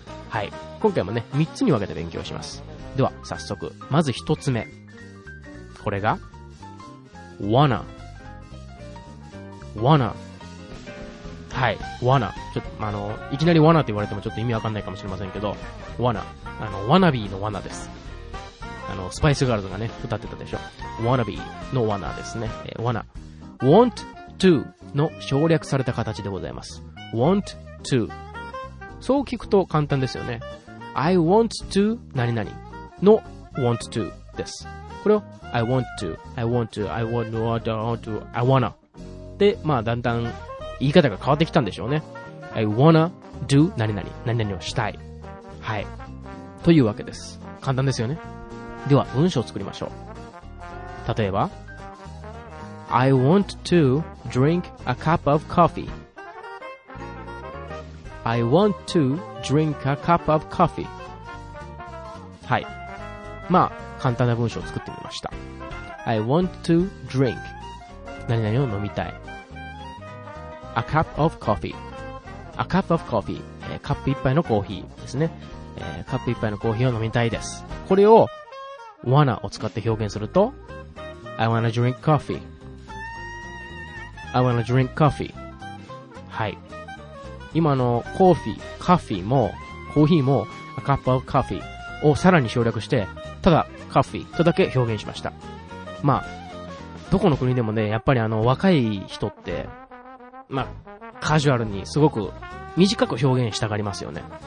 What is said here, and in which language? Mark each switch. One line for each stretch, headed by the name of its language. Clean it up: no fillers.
Japanese: はい、今回もね3つに分けて勉強します。では早速、まず1つ目、これが wanna、wanna、 はい、 wanna、 ちょっと、いきなり wanna って言われてもちょっと意味わかんないかもしれませんけど、 wanna、 wanna be の wanna です。スパイスガールズがね歌ってたでしょ、 wanna be の wanna ですね。 wanna、 want to の省略された形でございます。 want to、 そう聞くと簡単ですよね。
English: I want to
Japanese: 何々の want to です。
English: これを I want to、 I want to、 I want to、 I want to、 I want to、 I wanna
Japanese: で、まあ、だんだん言い方が変わってきたんでしょうね。
English: I wanna do
Japanese: 何々、何々をしたい。はい、というわけです。簡単ですよね。では文章を作りましょう。
English: 例えば I want to drink a cup of coffee、 I want to drink a cup of coffee、
Japanese: はい。まあ、簡単な文章を作ってみました。
English: I want to drink
Japanese: 何々を飲みたい。
English: A cup of coffee. A cup of coffee.
Japanese: カップ一杯のコーヒーですね。カップ一杯のコーヒーを飲みたいです。これを wanna を使って表現すると
English: I wanna drink coffee. I wanna drink coffee.
Japanese: はい。今のコーヒー、カフィーもコーヒーも
English: A cup of coffee
Japanese: をさらに省略してただカフィーとだけ表現しました。まあ、どこの国でもね、やっぱり若い人って、まあ、カジュアルにすごく短く表現したがりますよね。